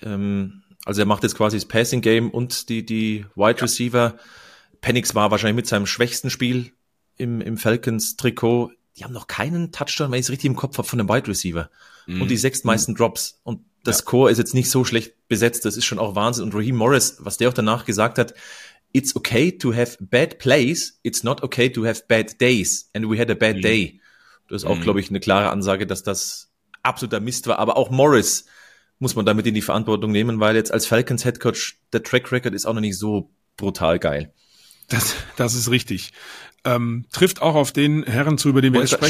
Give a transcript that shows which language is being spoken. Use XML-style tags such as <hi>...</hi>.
<de>Also er macht jetzt quasi das Passing-Game und die Wide Receiver. Penix war wahrscheinlich mit seinem schwächsten Spiel im Falcons-Trikot. Die haben noch keinen Touchdown, wenn ich es richtig im Kopf habe, von dem Wide Receiver. Mhm. Und die 6 meisten Drops. Und das Core ist jetzt nicht so schlecht besetzt. Das ist schon auch Wahnsinn. Und Raheem Morris, was der auch danach gesagt hat,</de> <en>it's okay to have bad plays, it's not okay to have bad days. And we had a bad day.</en> <de>Das ist auch, glaube ich, eine klare Ansage, dass das absoluter Mist war. Aber auch Morris muss man damit in die Verantwortung nehmen, weil jetzt als Falcons Head Coach der Track Record ist auch noch nicht so brutal geil. Das ist richtig. Trifft auch auf den Herren zu, über den wir jetzt sprechen.</de>